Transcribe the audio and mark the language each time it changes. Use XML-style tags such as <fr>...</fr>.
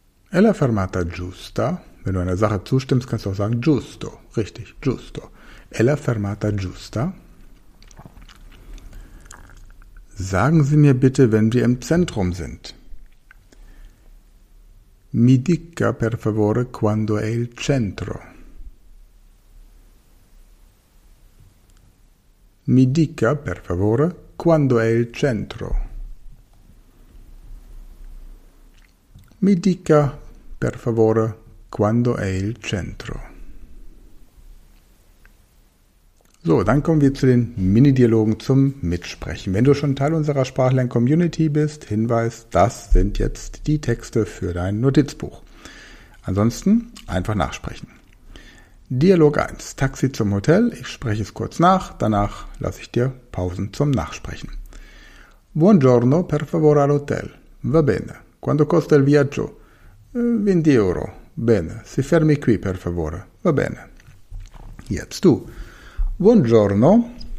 <it>È la fermata giusta?</it> <de>Wenn du einer Sache zustimmst, kannst du auch sagen</de> <it>giusto.</it> <de>Richtig,</de> <it>giusto. È la fermata giusta?</it> <de>Sagen Sie mir bitte, wenn wir im Zentrum sind.</de> <it>Mi dica per favore quando è il centro. Mi dica per favore quando è il centro. Mi dica per favore quando è il centro.</it> <de>So, dann kommen wir zu den Mini-Dialogen zum Mitsprechen. Wenn du schon Teil unserer Sprachlern-Community bist, Hinweis, das sind jetzt die Texte für dein Notizbuch. Ansonsten einfach nachsprechen. Dialog 1, Taxi zum Hotel. Ich spreche es kurz nach, danach lasse ich dir Pausen zum Nachsprechen.</de> <it>Buongiorno, per favore all'hotel. Va bene. Quanto costa il viaggio? 20 euro. Bene. Si fermi qui, per favore. Va bene.</it> <de>Jetzt du.</de> <it>Buongiorno.</it>